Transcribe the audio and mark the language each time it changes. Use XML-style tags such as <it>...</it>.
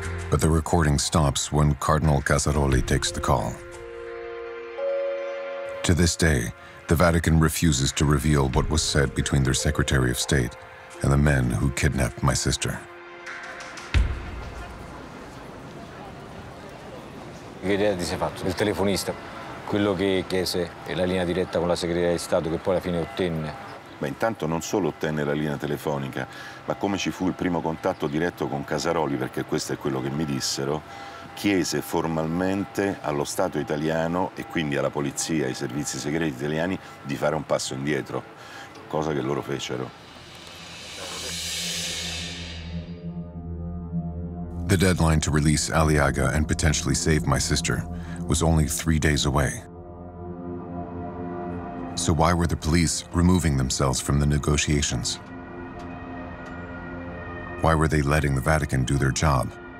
<en>But the recording stops when Cardinal Casaroli takes the call. To this day, the Vatican refuses to reveal what was said between their Secretary of State and the men who kidnapped my sister.</en> <it>Che idea ti sei fatto? Il telefonista, quello che chiese la linea diretta con la Segreteria di Stato, che poi alla fine ottenne. Beh, intanto non solo ottenne la linea telefonica, ma come ci fu il primo contatto diretto con Casaroli, perché questo è quello che mi dissero, chiese formalmente allo Stato italiano e quindi alla polizia, ai servizi segreti italiani, di fare un passo indietro, cosa che loro fecero.</it> <en>The deadline to release Aliaga and potentially save my sister was only 3 days away. So why were the police removing themselves from the negotiations? Why were they letting the Vatican do their job?</en>